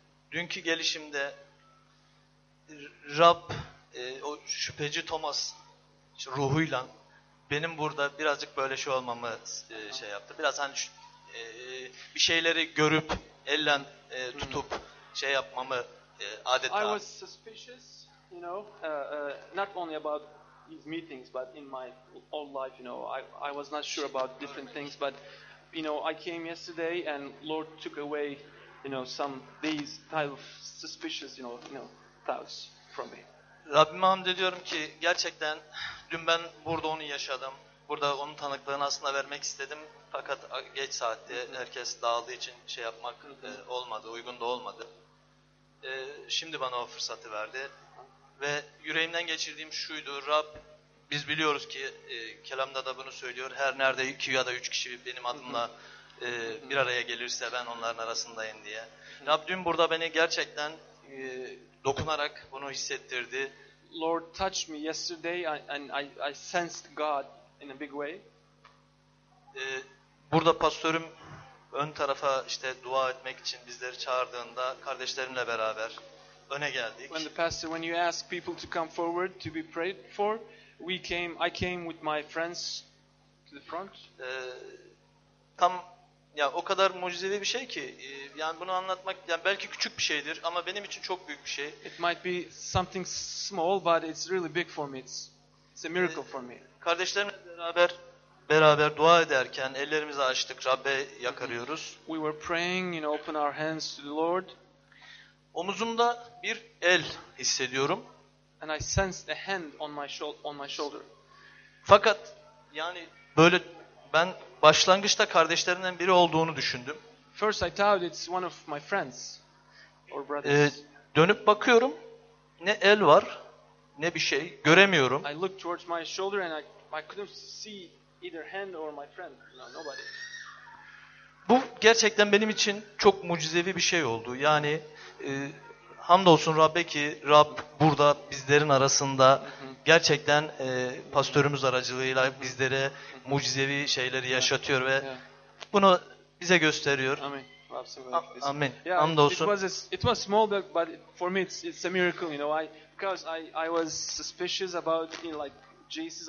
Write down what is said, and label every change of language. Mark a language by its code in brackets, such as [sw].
[tr] Dünkü gelişimde Rab o şüpheci Thomas ruhuyla benim burada birazcık böyle şey olmamı şey yaptı. Biraz hani bir şeyleri görüp elle tutup şey yapmamı adeta. [en] I was suspicious, you know, not only about these meetings, but in my whole life, you know, I was not sure about different things, but you know, I came yesterday and Lord took away, you know, some these type of suspicious, you know, thoughts from me. [tr] Rabbime hamd ediyorum ki gerçekten dün ben burada onu yaşadım. Burada onun tanıklığını aslında vermek istedim. Fakat geç saatte herkes dağıldığı için şey yapmak olmadı, uygun da olmadı. Şimdi bana o fırsatı verdi. Ve yüreğimden geçirdiğim şuydu: Rab, biz biliyoruz ki kelamda da bunu söylüyor. Her nerede 2 ya da 3 kişi benim adımla bir araya gelirse ben onların arasındayım diye. Rab dün burada beni gerçekten dokunarak bunu hissettirdi. [en] Lord touched me yesterday and I sensed God in a big way. [tr] Burada pastörüm ön tarafa işte dua etmek için bizleri çağırdığında kardeşlerimle beraber öne geldik. [en] When the pastor, when you ask people to come forward to be prayed for, I came with my friends to the front. [tr] Tam ya, o kadar mucizevi bir şey ki yani bunu anlatmak, yani belki küçük bir şeydir ama benim için çok büyük bir şey. [en] It might be something small but it's really big for me. It's a miracle for me. [tr] Kardeşlerimle beraber dua ederken ellerimizi açtık, Rab'be yakarıyoruz. [en] We were praying, you know, open our hands to the Lord. [tr] Omuzumda bir el hissediyorum. [en] And I sensed a hand on my shoulder. [tr] Fakat yani böyle ben başlangıçta kardeşlerimden biri olduğunu düşündüm. [en] First I thought it's one of my friends or brothers. [tr] Dönüp bakıyorum, ne el var ne bir şey, göremiyorum. [en] I looked towards my shoulder and I couldn't see either hand or my friend. No, nobody. [tr] Bu gerçekten benim için çok mucizevi bir şey oldu. Yani hamdolsun Rab'be ki Rab burada bizlerin arasında gerçekten pastörümüz aracılığıyla bizlere mucizevi şeyleri yaşatıyor ve bunu bize gösteriyor. Amin. Yeah, hamdolsun. [en] It was small but for me it's a miracle, you know. I was suspicious about, you know, like Jesus.